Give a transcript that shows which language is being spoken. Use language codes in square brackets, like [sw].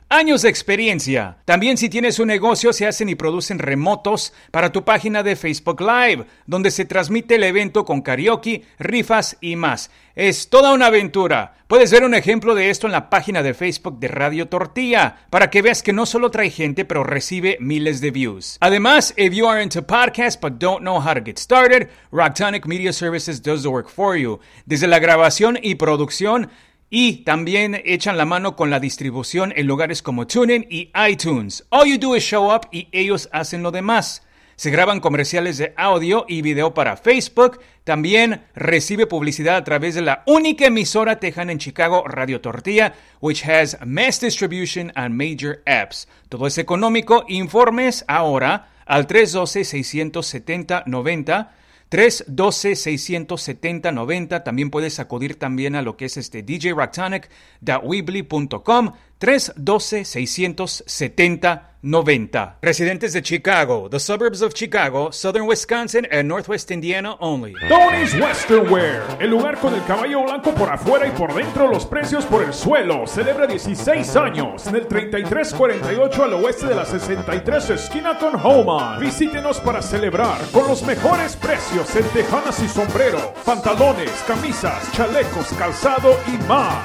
[es] Años de experiencia. También si tienes un negocio, se hacen y producen remotos para tu página de Facebook Live, donde se transmite el evento con karaoke, rifas y más. Es toda una aventura. Puedes ver un ejemplo de esto en la página de Facebook de Radio Tortilla, para que veas que no solo trae gente, pero recibe miles de views. [en] Además, if you are into podcasts but don't know how to get started, Ractonic Media Services does the work for you. [es] Desde la grabación y producción, y también echan la mano con la distribución en lugares como TuneIn y iTunes. [en] All you do is show up [es] y ellos hacen lo demás. Se graban comerciales de audio y video para Facebook. También recibe publicidad a través de la única emisora tejana en Chicago, Radio Tortilla, [en] which has mass distribution and major apps. [es] Todo es económico. Informes ahora al 312-670-90. 312-670-90. También puedes acudir también a lo que es este djractonic.weebly.com. 312-670-90. Residentes de [en] Chicago, the suburbs of Chicago, southern Wisconsin and northwest Indiana only. [es] Tony's Western Wear, el lugar con el caballo blanco por afuera y por dentro los precios por el suelo. Celebra 16 años en el 3348 al oeste de la 63 esquina con Holman. Visítenos para celebrar con los mejores precios en tejanas y sombreros, pantalones, camisas, chalecos, calzado y más.